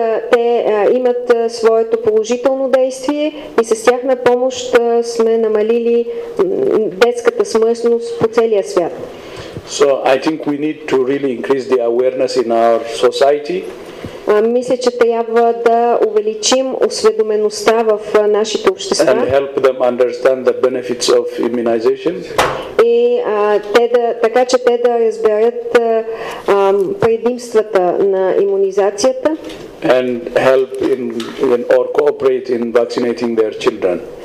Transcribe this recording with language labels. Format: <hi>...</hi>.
<bg>Те имат своето положително действие и с тяхна помощ сме намалили детската смъртност по целия свят.</bg> <en>So I think we need to really increase the awareness in our society.</en> <bg>Мисля, че трябва да увеличим осведомеността в нашите общества.</bg> <en>And help them understand the benefits of immunization.</en> <bg>И така че те да разберат предимствата на имунизацията</bg> <en>and help in or cooperate in vaccinating their children.</en>